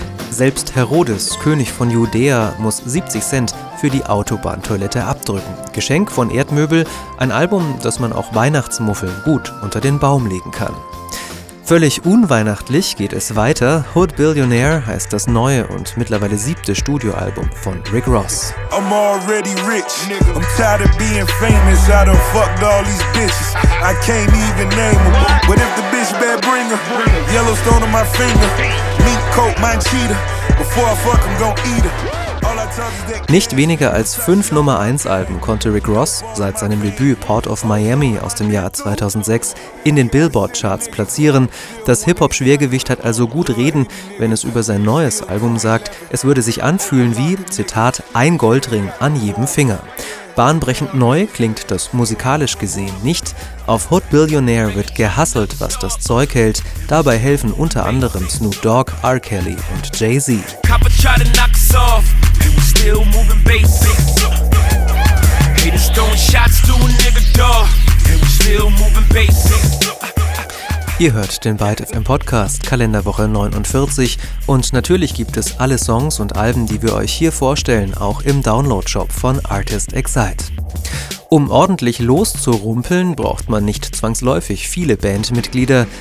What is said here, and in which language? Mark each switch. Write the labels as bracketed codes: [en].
[de] Selbst Herodes, König von Judäa, muss 70 Cent für die Autobahntoilette abdrücken. Geschenk von Erdmöbel, ein Album, das man auch Weihnachtsmuffeln gut unter den Baum legen kann. Völlig unweihnachtlich geht es weiter. Hood Billionaire heißt das neue und mittlerweile siebte Studioalbum von Rick Ross. [en] I'm already rich, nigga. I'm tired of being famous. I done fucked all these bitches. I can't even name them. But if the bitch bad bring her, Yellowstone on my finger, meat coat, my cheetah. Before I fuck, I'm gon' eat her. [de] Nicht weniger als 5 Nummer-1-Alben konnte Rick Ross seit seinem Debüt Port of Miami aus dem Jahr 2006 in den Billboard-Charts platzieren. Das Hip-Hop-Schwergewicht hat also gut reden, wenn es über sein neues Album sagt, es würde sich anfühlen wie, Zitat, ein Goldring an jedem Finger. Bahnbrechend neu klingt das musikalisch gesehen nicht. Auf Hood Billionaire wird gehasselt, was das Zeug hält. Dabei helfen unter anderem Snoop Dogg, R. Kelly und Jay-Z. [en] Copper tried to knock us off, and we still moving basic. Haters throwing shots to a nigga door, and we still moving basic. [de] Ihr hört den ByteFM Podcast, Kalenderwoche 49. Und natürlich gibt es alle Songs und Alben, die wir euch hier vorstellen, auch im Download-Shop von Artist Excite. Um ordentlich loszurumpeln, braucht man nicht zwangsläufig viele Bandmitglieder.